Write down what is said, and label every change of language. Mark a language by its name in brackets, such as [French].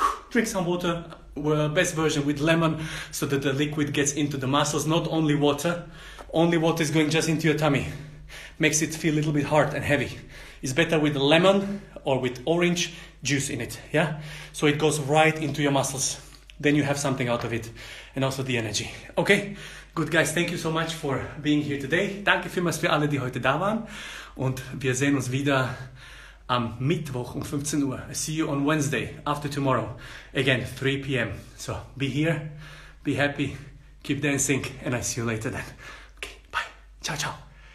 [English] Drink some water, best version with lemon, so that the liquid gets into the muscles, not only water. Only water is going just into your tummy. Makes it feel a little bit hard and heavy. It's better with lemon or with orange juice in it, yeah? So it goes right into your muscles. Then you have something out of it, and also the energy. Okay, good guys, thank you so much for being here today. [German] Danke vielmals für alle, die heute da waren. Und wir sehen uns wieder am Mittwoch um 15 Uhr. [English] I see you on Wednesday, after tomorrow. Again, 3 p.m. So be here, be happy, keep dancing, and I see you later then. Okay, bye. Ciao, ciao.